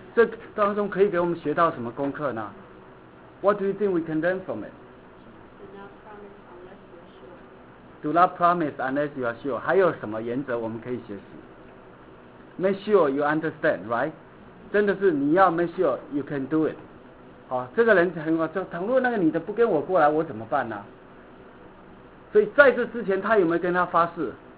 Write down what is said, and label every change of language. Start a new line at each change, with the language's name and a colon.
Chinese: 这当中可以给我们学到什么功课呢？
English: What do you think we can learn from it? Do not promise unless you are sure. Do not promise unless you are sure.
Chinese: 还有什么原则我们可以学习？
English: Make sure you understand, right?
Chinese: 真的是你要
English: make sure you can do it.
Chinese: 好，这个人很好，就倘若那个女的不跟我过来，我怎么办呢？所以在这之前，他有没有跟他发誓？